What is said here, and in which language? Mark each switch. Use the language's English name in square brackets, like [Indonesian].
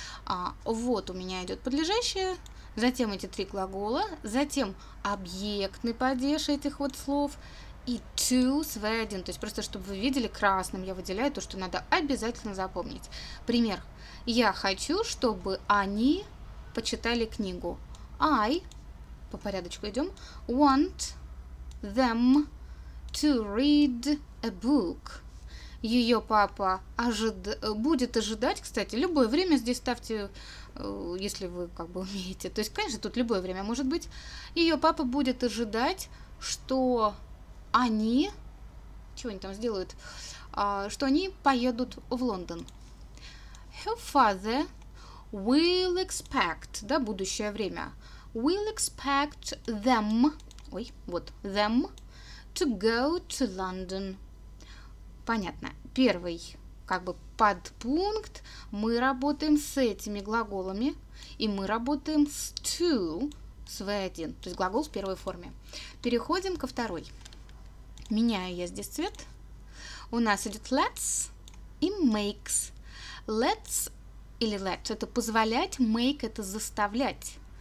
[Russian] А, вот у меня идет подлежащее, затем эти три глагола, затем объектный падеж этих вот слов и to с V1, то есть просто чтобы вы видели, красным я выделяю то, что надо обязательно запомнить. Пример. Я хочу, чтобы они почитали книгу. [English] I, [Russian] по порядочку идем, [English] want them to read a book. [Russian] Ее папа будет ожидать, кстати, любое время здесь ставьте, если вы как бы умеете. То есть, конечно, тут любое время может быть. Ее папа будет ожидать, что они, чего они там сделают, что они поедут в Лондон. [English] Her father will expect, [Russian] да, будущее время, [English] will expect them, [Russian] ой, вот, [English] them to go to London. [Russian] Понятно. Первый, как бы, подпункт, мы работаем с этими глаголами, и мы работаем с to, с V1, то есть глагол в первой форме. Переходим ко второй. Меняю я здесь цвет. У нас идет let's и makes. Let's или let's – это позволять, make – это заставлять.